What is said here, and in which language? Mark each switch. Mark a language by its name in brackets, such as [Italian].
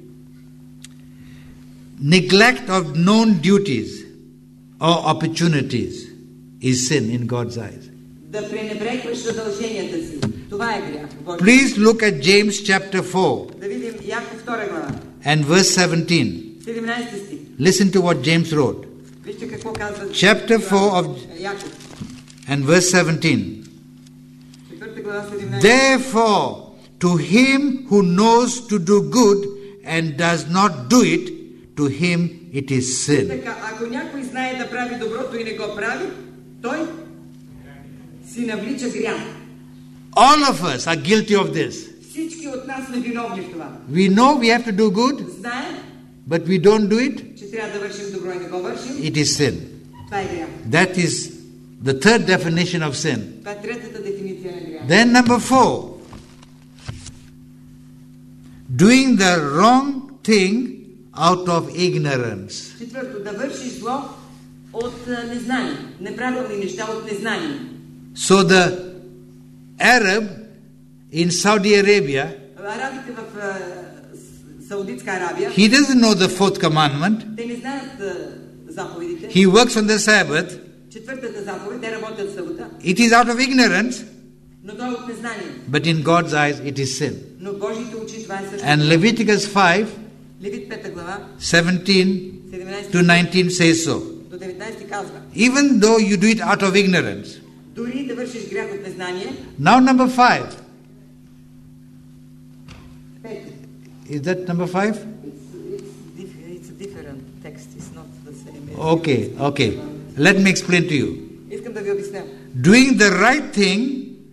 [English] Number three. Neglect of known duties or opportunities is sin in God's eyes. [Bulgarian] Да пренебрегваш задълженията си. Това е грях. [English] Please look at James chapter 4. [Bulgarian] Да видим Яков 2 глава. [English] And verse 17. [Bulgarian] 17 стих. [English] Listen to what James wrote. [Bulgarian] Вижте какво казва. [English] Chapter 4 of [Bulgarian] Яков. [English] And verse 17. [Bulgarian] 4 глава 17. [English] Therefore, To him who knows to do good and does not do it, to him it is sin. [Bulgarian] Ако някой знае да прави доброто и не го прави, той си навлича грях. [English] All of us are guilty of this. [Bulgarian] Всички от нас сме виновни в това. [English] We know we have to do good. [Bulgarian] Знаем. [English] But we don't do it. [Bulgarian] Че трябва да вършим добро и не го вършим. [English] It is sin. [Bulgarian] Това е грях. [English] That is the third definition of sin. [Bulgarian] Това е третата дефиниция на грях. [English] Then number four. Doing the wrong thing out of ignorance. [Bulgarian] Четвърто, да вършиш зло от незнание. Неправилни неща от незнание. [English] So the Arab in Saudi Arabia, [Bulgarian] арабите в Саудитска Арабия, [English] he doesn't know the fourth commandment. [Bulgarian] Те не знаят заповедите. [English] He works on the Sabbath. [Bulgarian] Четвъртата заповед, те работят в събота. [English] It is out of ignorance. [Bulgarian] Но това е от незнание. [English] But in God's eyes it is sin. [Bulgarian] Но Божиите очи това е също. [English] And Leviticus 5, [Bulgarian] Левит 5 глава, [English] 17-19 says so. [Bulgarian] До 19 казва. [English] Even though you do it out of ignorance. [Bulgarian] Дори да вършиш грях от незнание. [English] Now number 5. [Bulgarian] Пет. [English] Is that number 5? It's a different text. It's not the same. Okay. Let me explain to you. [Bulgarian] Искам да ви обясня. [English] Doing the right thing.